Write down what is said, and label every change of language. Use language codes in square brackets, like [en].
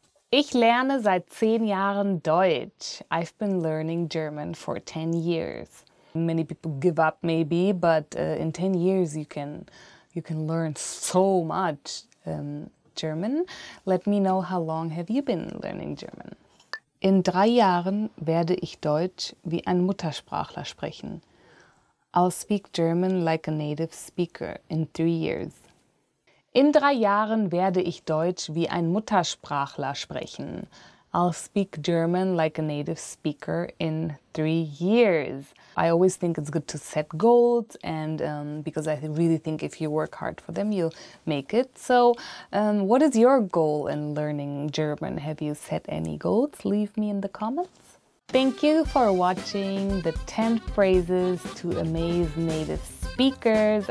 [de] Ich lerne seit 10 Jahren Deutsch. [en] I've been learning German for 10 years. Many people give up maybe, but in 10 years you can learn so much German. Let me know how long have you been learning German. [de] In 3 Jahren werde ich Deutsch wie ein Muttersprachler sprechen. [en] I'll speak German like a native speaker in 3 years. [de] In 3 Jahren werde ich Deutsch wie ein Muttersprachler sprechen. [en] I'll speak German like a native speaker in 3 years. I always think it's good to set goals and because I really think if you work hard for them, you'll make it. So what is your goal in learning German? Have you set any goals? Leave me in the comments. Thank you for watching the 10 phrases to amaze native speakers.